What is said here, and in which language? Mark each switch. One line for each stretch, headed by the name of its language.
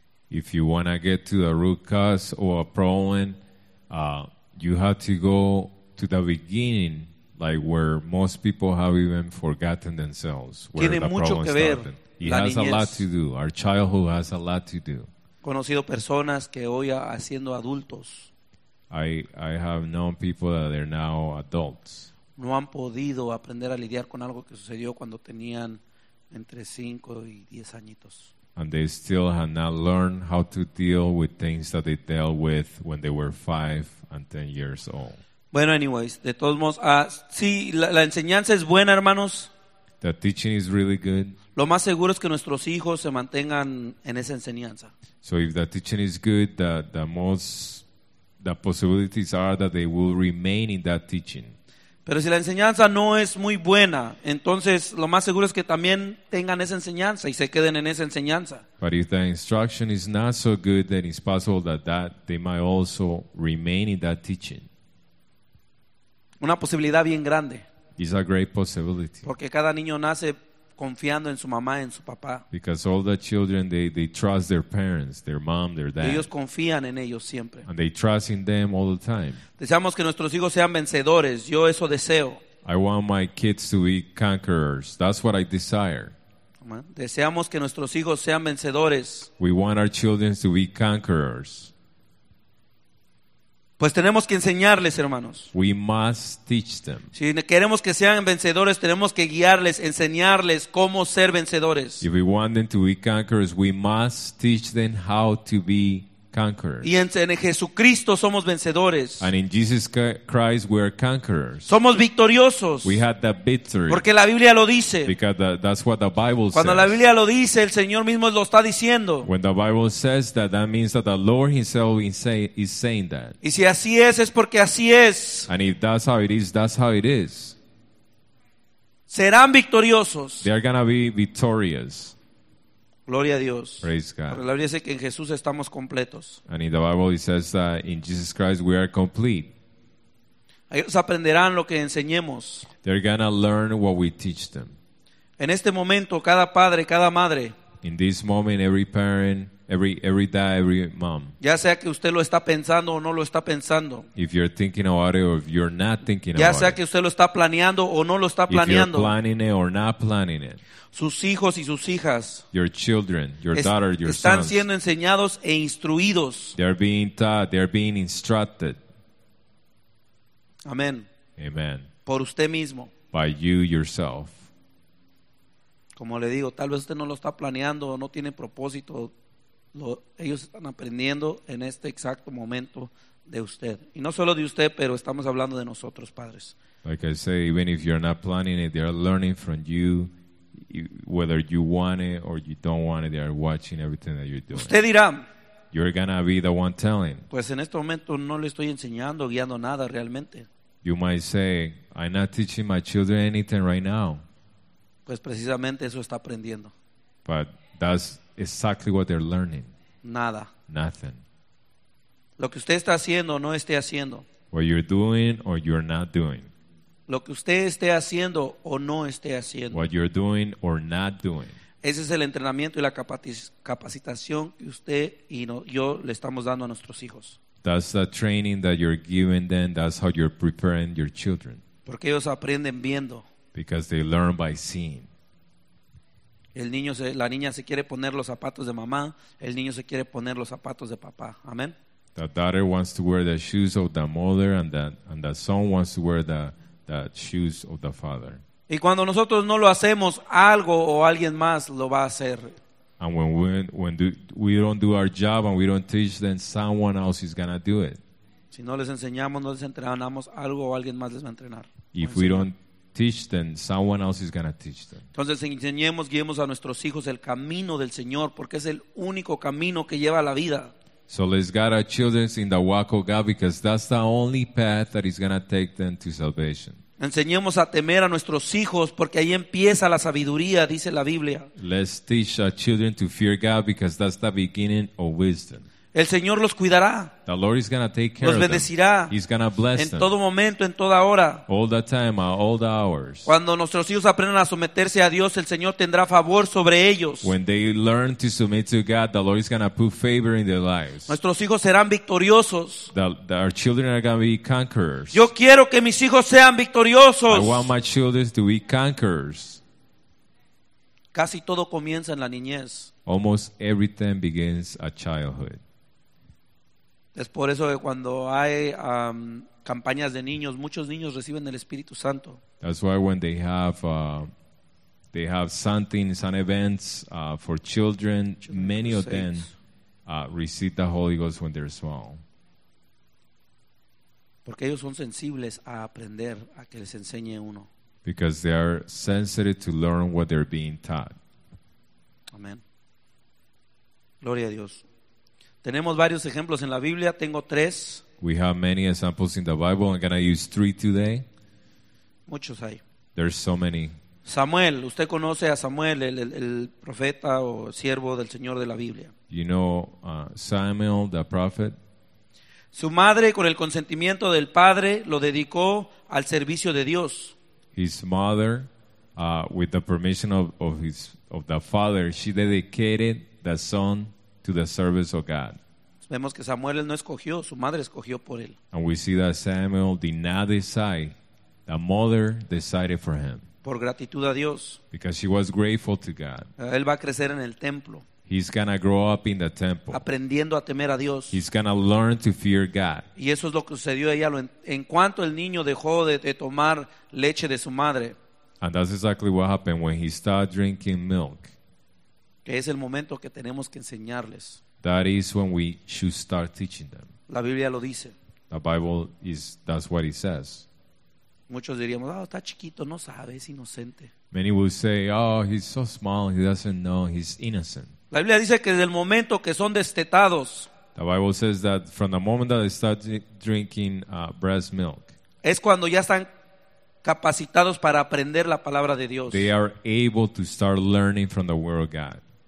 English: If you want to get to the root cause or a problem, you have to go to the beginning, like where most people have even forgotten themselves, where
Spanish: tiene mucho que ver
English: started. It has
Spanish: niñez.
English: A lot to do. Our childhood has a lot to do.
Spanish: Conocido personas que hoy siendo adultos.
English: I have known people that they're now adults.
Spanish: No han podido aprender a lidiar con algo que sucedió cuando tenían entre 5 y 10 añitos.
English: And they still have not learned how to deal with things that they dealt with when they were 5 and 10 years old.
Spanish: Bueno, anyways, de todos modos, sí, la enseñanza es buena, hermanos.
English: The teaching is really good.
Spanish: Lo más seguro es que nuestros hijos se mantengan en esa enseñanza.
English: So if the teaching is good, the possibilities are that they will remain in that teaching.
Spanish: Pero si la enseñanza no es muy buena, entonces lo más seguro es que también tengan esa enseñanza y se queden en esa enseñanza.
English: But if the instruction is not so good, then it's possible that they might also remain in that teaching.
Spanish: Una posibilidad bien grande.
English: It's a great possibility.
Spanish: Porque cada niño nace confiando en su mamá, en su papá.
English: Because all the children, they trust their parents, their mom, their dad.
Spanish: Y ellos confían en ellos siempre.
English: And they trust in them all the time.
Spanish: Deseamos que nuestros hijos sean vencedores. Yo eso deseo.
English: I want my kids to be conquerors. That's what I desire.
Spanish: Deseamos que nuestros hijos sean vencedores.
English: We want our children to be conquerors.
Spanish: Pues tenemos que enseñarles, hermanos.
English: We must teach them.
Spanish: Si queremos que sean vencedores, tenemos que guiarles, enseñarles cómo ser vencedores.
English: If we want them to be conquerors, we must teach them how to be conquerors.
Spanish: Y en Jesucristo somos vencedores.
English: And in Jesus Christ we are conquerors.
Spanish: Somos victoriosos.
English: We had the victory.
Spanish: Porque la Biblia lo dice.
English: Because that's what the Bible
Spanish: Cuando
English: says.
Spanish: La Biblia lo dice, el Señor mismo lo está diciendo.
English: When the Bible says that means that the Lord himself is saying that.
Spanish: Y si así es porque así es.
English: And if that's how it is, that's how it is.
Spanish: Serán victoriosos.
English: They are going to be victorious.
Spanish: Gloria a Dios.
English: Praise God.
Spanish: La Biblia dice que en Jesús estamos completos.
English: And in the Bible it says that in Jesus Christ we are complete.
Spanish: Ellos aprenderán lo que enseñemos.
English: They're gonna learn what we teach them.
Spanish: En este momento, cada padre, cada madre.
English: In this moment, every parent, every dad, every mom.
Spanish: Ya sea que usted lo está pensando o no lo está pensando.
English: If you're thinking about it or if you're not thinking
Spanish: ya
English: about it.
Spanish: Ya sea que usted lo está planeando o no lo está planeando.
English: If you're planning it or not planning it.
Spanish: Sus hijos y sus hijas
English: your children, your daughter, your
Spanish: están
English: sons.
Spanish: Siendo enseñados e instruidos.
English: They are being taught, they are being instructed.
Spanish: Amén.
English: Amen.
Spanish: Por usted mismo.
English: By you yourself.
Spanish: Como le digo, tal vez usted no lo está planeando o no tiene propósito. Ellos están aprendiendo en este exacto momento de usted. Y no solo de usted, pero estamos hablando de nosotros, padres.
English: Like I say, even if you're not planning it, they are learning from you. Whether you want it or you don't want it, they are watching everything that you're doing.
Spanish: Usted dirá,
English: you're gonna be the one telling.
Spanish: Pues en este momento no le estoy enseñando, guiando nada realmente.
English: You might say, I'm not teaching my children anything right now.
Spanish: Pues precisamente eso está aprendiendo.
English: But that's exactly what they're learning.
Spanish: Nada.
English: Nothing.
Spanish: Lo que usted está haciendo o no esté haciendo.
English: What you're doing or you're not doing.
Spanish: Lo que usted esté haciendo o no esté haciendo.
English: What you're doing or not doing.
Spanish: Ese es el entrenamiento y la capacitación que usted y yo le estamos dando a nuestros hijos.
English: That's the training that you're giving them. That's how you're preparing your children.
Spanish: Porque ellos aprenden viendo.
English: Because they learn by seeing.
Spanish: El niño se, la niña se quiere poner los zapatos de mamá, el niño se quiere poner los zapatos de papá. Amén.
English: The daughter wants to wear the shoes of the mother and the son wants to wear the shoes of the father.
Spanish: Y cuando nosotros no lo hacemos, algo o alguien más lo va a hacer.
English: And when we don't do our job and we don't teach, then someone else is going to do it.
Spanish: Si no les enseñamos, no les entrenamos, algo o alguien más les va a entrenar.
English: If we don't teach them, someone else is going to teach them.
Spanish: Entonces enseñemos, guiemos a nuestros hijos el camino del Señor, porque es el único camino que lleva a la vida.
English: So let's guide our children in the walk of God, because that's the only path that is going to take them to salvation.
Spanish: Enseñemos a temer a nuestros hijos, porque ahí empieza la sabiduría, dice la Biblia.
English: Let's teach our children to fear God, because that's the beginning of wisdom.
Spanish: El Señor los cuidará.
English: The Lord is going to take care of them.
Spanish: Los bendecirá.
English: He's going to bless them.
Spanish: En todo momento, en toda hora.
English: All the time, all the hours.
Spanish: Cuando nuestros hijos aprendan a someterse a Dios, el Señor tendrá favor sobre ellos.
English: When they learn to submit to God, the Lord is going to put favor in their lives.
Spanish: Nuestros hijos serán victoriosos.
English: Our children are going to be conquerors.
Spanish: Yo quiero que mis hijos sean victoriosos.
English: I want my children to be conquerors.
Spanish: Casi todo comienza en la niñez.
English: Almost everything begins at childhood.
Spanish: Es por eso que cuando hay campañas de niños, muchos niños reciben el Espíritu Santo.
English: That's why when they have something, some events for children, many of them receive the Holy Ghost when they're small.
Spanish: Porque ellos son sensibles a aprender a que les enseñe uno.
English: Because they are sensitive to learn what they're being taught.
Spanish: Amén. Gloria a Dios. Tenemos varios ejemplos en la Biblia. Tengo tres.
English: We have many examples in the Bible. I'm going to use three today.
Spanish: Muchos hay.
English: There's so many.
Spanish: Samuel. Usted conoce a Samuel, el profeta o siervo del Señor de la Biblia.
English: You know Samuel, the prophet.
Spanish: Su madre, con el consentimiento del padre, lo dedicó al servicio de Dios.
English: His mother, with the permission of the father, she dedicated the son to the service of God.
Spanish: Vemos que Samuel no escogió, su madre escogió por él.
English: And we see that Samuel did not decide, the mother decided for him.
Spanish: Por gratitud a Dios.
English: Because she was grateful to God.
Spanish: Él va a crecer en el templo.
English: He's gonna grow up in the temple.
Spanish: Aprendiendo a temer a Dios.
English: He's gonna learn to fear God.
Spanish: Y eso es lo que sucedió a ella en cuanto el niño dejó de tomar leche de su madre.
English: And that's exactly what happened when he started drinking milk.
Spanish: Que es el momento que tenemos que enseñarles.
English: That is when we should start teaching them.
Spanish: La Biblia lo dice.
English: The Bible is, that's what it says.
Spanish: Muchos diríamos, oh, está chiquito, no sabe, es inocente.
English: Many will say, oh, he's so small, he doesn't know, he's innocent.
Spanish: La Biblia dice que desde el momento que son destetados.
English: The Bible says that from the moment that they start drinking breast milk.
Spanish: Es cuando ya están capacitados para aprender la palabra de Dios.
English: They are able to start learning from the word of God.